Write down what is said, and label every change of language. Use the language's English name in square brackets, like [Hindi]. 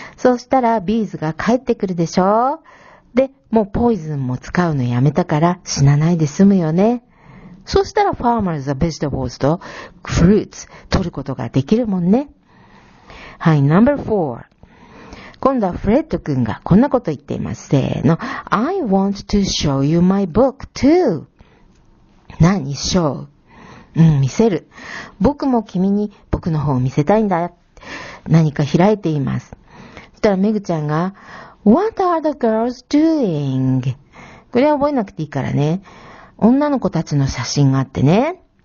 [Japanese] そうしたらビーズが帰ってくるでしょ？で、もうポイズンも使うのやめたから死なないで済むよね。そうしたらファーマーズはベジタブルとフルーツ取ることができるもんね。はい、ナンバー4。今度はフレッド君がこんなこと言っています。せーの。 [English] I want to show you my book too. [Japanese] 何 show? うん、見せる。僕も君に僕の方を見せたいんだ。何か開いています。そしたらメグちゃんが [English] What are the girls doing? [Japanese] これは覚えなくていいからね。女の子たちの写真があってね。